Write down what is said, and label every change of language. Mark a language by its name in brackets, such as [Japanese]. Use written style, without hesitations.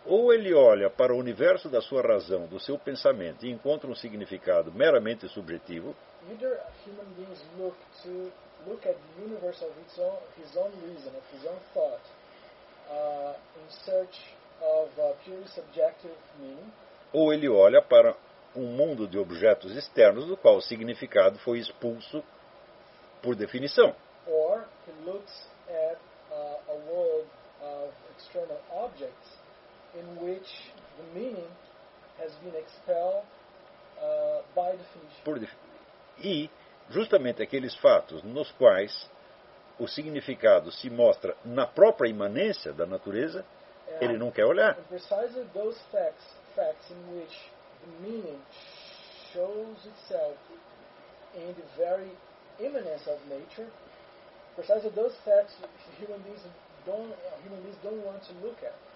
[Portuguese] Ou ele olha para o universo da sua razão, do seu pensamento e encontra um significado meramente subjetivo. [English] Either human beings look at the universe of his own reason, of his own thought, in search of a purely subjective meaning. [Portuguese] Ou ele olha para um mundo de objetos externos do qual o significado foi expulso por definição. [English] Or he looks at a world of external objects in which the meaning has been expelled by definition. [Portuguese] E justamente aqueles fatos nos quais o significado se mostra na própria imanência da natureza, [English] and [Portuguese] ele não quer olhar. [English] Precisely those facts in which the meaning shows itself in the very imminence of nature, precisely those facts human beings don't want to look at.